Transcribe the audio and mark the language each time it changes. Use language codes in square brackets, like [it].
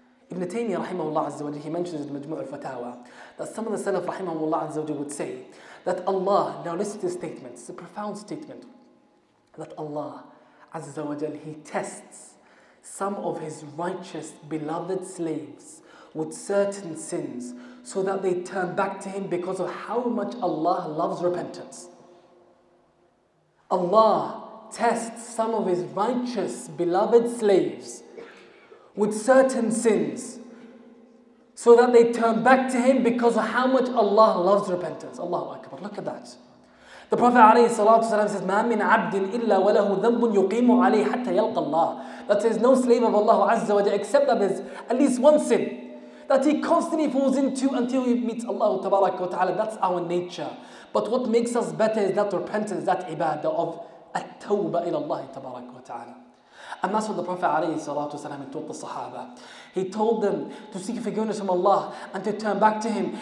[en] Ibn Taymiyyah rahimahullah azza wa jalla, he mentions in Majmu' al-Fatawa that some of the Salaf rahimahullah azza wa jalla would say that Allah, now listen to this statement, it's a profound statement, that Allah azza wa jalla, he tests some of his righteous beloved slaves with certain sins so that they turn back to him because of how much Allah loves repentance. Allah tests some of his righteous beloved slaves with certain sins so that they turn back to him because of how much Allah loves repentance. Allahu Akbar, look at that. The Prophet ﷺ says, [ar] مَا مِنْ عَبْدٍ إِلَّا وَلَهُ ذَنْبٌ يُقِيمُ عَلَيْهِ حَتَّى يَلْقَ اللَّهِ. [en] That there's no slave of Allah Azza wa Jalla except that there's at least one sin that he constantly falls into until he meets Allah Tabarak wa Ta'ala. That's our nature. But what makes us better is that repentance, that ibadah of at-tawbah ila Allah Tabarak wa Ta'ala. And that's what the Prophet alayhi salatu wasalam taught the Sahaba. He told them to seek forgiveness from Allah and to turn back to him.